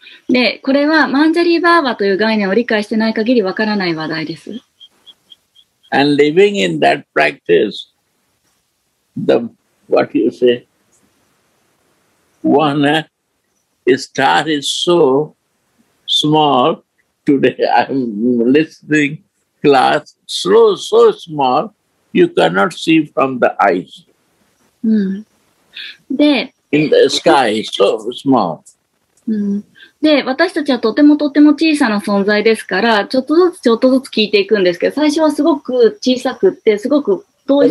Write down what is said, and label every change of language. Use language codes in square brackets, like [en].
[ja] で、これはマンジャリーバーバという概念を理解してない限りわからない話題です。 [en] And living in that practice, the, what you say, one star is so small, today I'm listening class, slow, so small, you cannot see from the eyes. うん、で、 In the sky, so small. [ja] うん、で、私たちはとてもとても小さな存在ですから、ちょっとずつちょっとずつ聞いていくんですけど、最初はすごく小さくって、すごく遠い